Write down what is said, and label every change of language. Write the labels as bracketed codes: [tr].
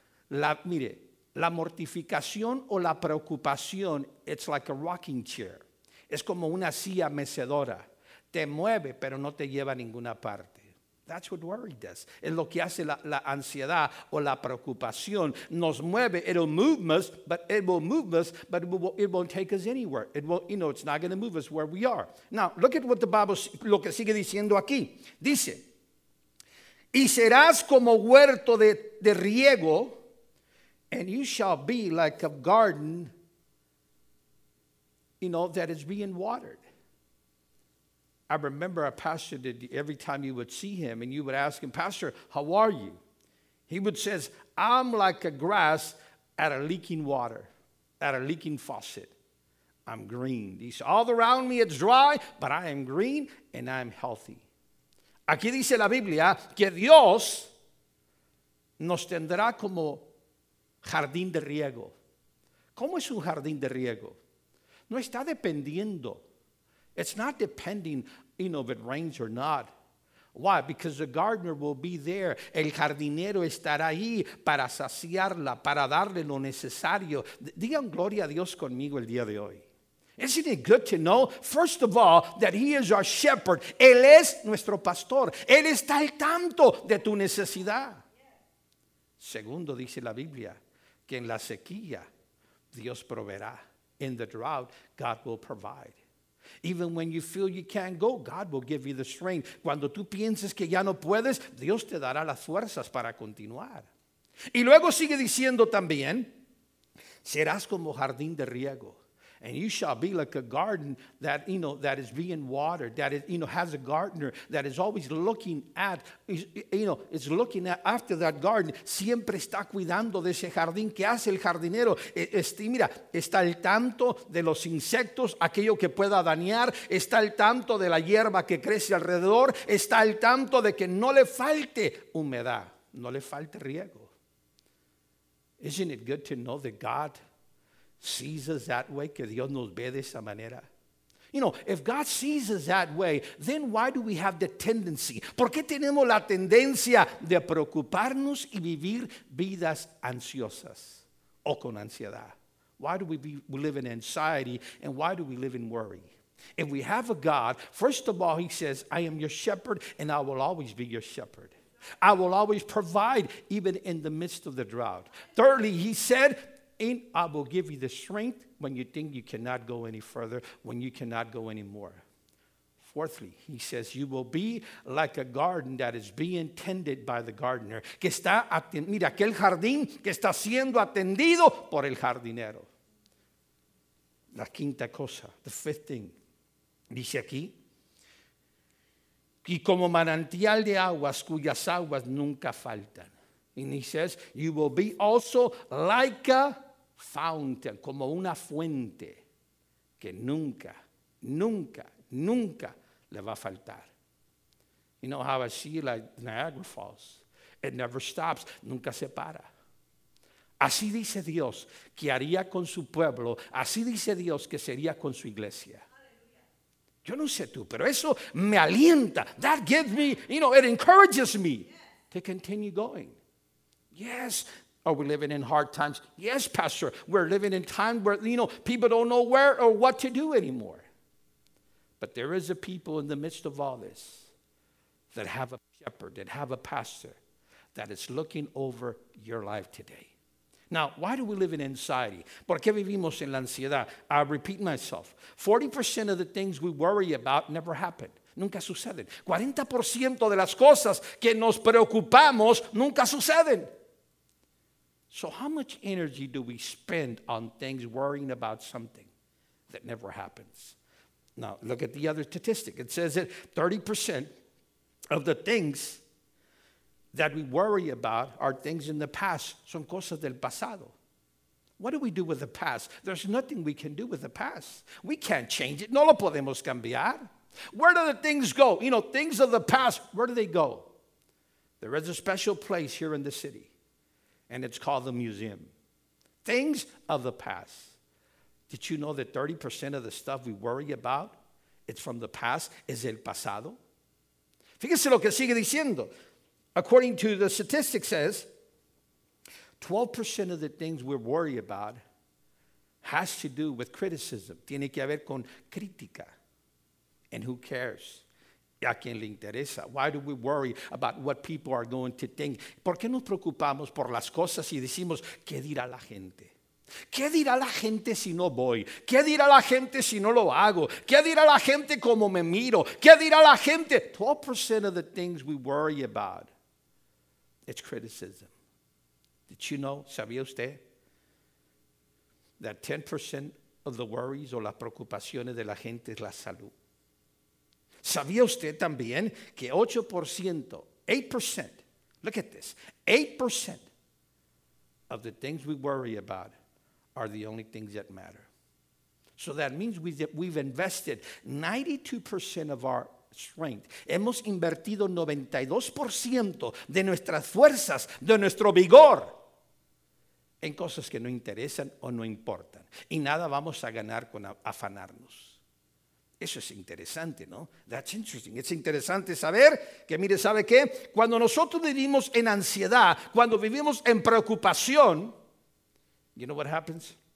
[es] La mortificación o la preocupación, [en] it's like a rocking chair. [es] Es como una silla mecedora. Te mueve, pero no te lleva a ninguna parte. [en] That's what worry does. [es] Es lo que hace la ansiedad o la preocupación. Nos mueve. [en] It will move us, but it won't take us anywhere. It will, you know, it's not going to move us where we are. Now, look at what the Bible, [es] lo que sigue diciendo aquí. Dice, y serás como huerto de riego, [en] and you shall be like a garden, you know, that is being watered. I remember a pastor that every time you would see him and you would ask him, Pastor, how are you? He would say, I'm like a grass at a leaking water, at a leaking faucet. I'm green. He said, all around me it's dry, but I am green and I'm healthy. [es] Aquí dice la Biblia que Dios nos tendrá como jardín de riego. ¿Cómo es un jardín de riego? No está dependiendo. [en] It's not depending, you know, if it rains or not. Why? Because the gardener will be there. [es] El jardinero estará ahí para saciarla, para darle lo necesario. Digan gloria a Dios conmigo el día de hoy. [en] Isn't it good to know, first of all, that he is our shepherd. [es] Él es nuestro pastor. Él está al tanto de tu necesidad. Segundo, dice la Biblia, que en la sequía, Dios proveerá. [en] In the drought, God will provide. Even when you feel you can't go, God will give you the strength. [es] Cuando tú pienses que ya no puedes, Dios te dará las fuerzas para continuar. Y luego sigue diciendo también, serás como jardín de riego. [en] And you shall be like a garden that, you know, that is being watered, that is, you know, has a gardener that is always looking at, you know, is looking at after that garden. [es] Siempre está cuidando de ese jardín. ¿Qué hace el jardinero? Mira, está al tanto de los insectos, aquello que pueda dañar. Está al tanto de la hierba que crece alrededor. Está al tanto de que no le falte humedad, no le falte riego. [en] Isn't it good to know that God sees us that way, [es] que Dios nos ve de esa manera? [en] You know, if God sees us that way, then why do we have the tendency? [es] ¿Por qué tenemos la tendencia de preocuparnos y vivir vidas ansiosas o con ansiedad? [en] Why do we live in anxiety and why do we live in worry? If we have a God, first of all, he says, I am your shepherd and I will always be your shepherd. I will always provide even in the midst of the drought. Thirdly, he said, and I will give you the strength when you think you cannot go any further, when you cannot go anymore. Fourthly, he says, you will be like a garden that is being tended by the gardener. [es] Que está mira, aquel jardín que está siendo atendido por el jardinero. La quinta cosa, [en] the fifth thing, [es] dice aquí, y como manantial de aguas cuyas aguas nunca faltan. [en] And he says, you will be also like a fountain, [es] como una fuente que nunca, nunca, nunca le va a faltar. [en] You know how I see like Niagara Falls. It never stops, [es] nunca se para. Así dice Dios que haría con su pueblo. Así dice Dios que sería con su iglesia. Yo no sé tú, pero eso me alienta. [en] That gives me, you know, it encourages me to continue going. Yes. Are we living in hard times? Yes, Pastor. We're living in time where, you know, people don't know where or what to do anymore. But there is a people in the midst of all this that have a shepherd, that have a pastor that is looking over your life today. Now, why do we live in anxiety? [es] ¿Por qué vivimos en la ansiedad? [en] I repeat myself. 40% of the things we worry about never happen. [es] Nunca suceden. 40% de las cosas que nos preocupamos nunca suceden. [en] So how much energy do we spend on things worrying about something that never happens? Now, look at the other statistic. It says that 30% of the things that we worry about are things in the past. [es] Son cosas del pasado. [en] What do we do with the past? There's nothing we can do with the past. We can't change it. [es] No lo podemos cambiar. [en] Where do the things go? You know, things of the past, where do they go? There is a special place here in the city, and it's called the museum. Things of the past. Did you know that 30% of the stuff we worry about, it's from the past, is [es] el pasado? Fíjese lo que sigue diciendo. [en] According to the statistics says, 12% of the things we worry about has to do with criticism. [es] Tiene que ver con crítica. [en] And who cares? [es] ¿A quién le interesa? [en] Why do we worry about what people are going to think? [es] ¿Por qué nos preocupamos por las cosas y decimos, qué dirá la gente? ¿Qué dirá la gente si no voy? ¿Qué dirá la gente si no lo hago? ¿Qué dirá la gente como me miro? ¿Qué dirá la gente? [en] 12% of the things we worry about, it's criticism. Did you know, [es] sabía usted, [en] that 10% of the worries [es] o las preocupaciones de la gente es la salud? ¿Sabía usted también que 8%, [en] look at this, [es] 8% of the things we worry about are the only things that matter? [en] So that means we've invested 92% of our strength. [es] Hemos invertido 92% de nuestras fuerzas, de nuestro vigor, en cosas que no interesan o no importan. Y nada vamos a ganar con afanarnos. Eso es interesante, ¿no? [en] That's interesting. [es] Es interesante saber que, mire, ¿sabe qué? Cuando nosotros vivimos en ansiedad, cuando vivimos en preocupación, [en] you know what happens?